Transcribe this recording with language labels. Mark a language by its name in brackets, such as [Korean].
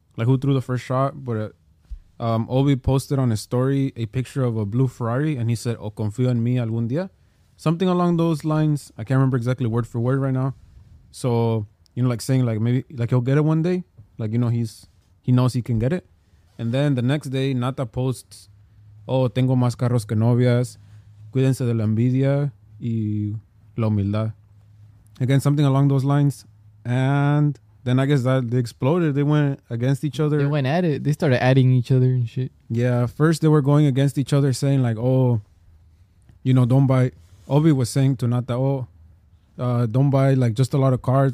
[English] Like who threw the first shot? But Obi posted on his story a picture of a blue Ferrari, and he said, [Spanish] "O confío en mí algún día." [English] Something along those lines. I can't remember exactly word for word right now. So, you know, like saying, like, maybe, like, he'll get it one day. Like, you know, he knows he can get it. And then the next day, Nata posts... [Spanish] Oh, tengo más carros que novias. Cuídense de la envidia y la humildad. [English] Again, something along those lines. And then I guess that they exploded. They went against each other. They went at it. They started adding each other and shit. Yeah, first they were going against each other saying like, oh, you know, don't buy. Obi was saying to Nata, oh, don't buy like just a lot of cars.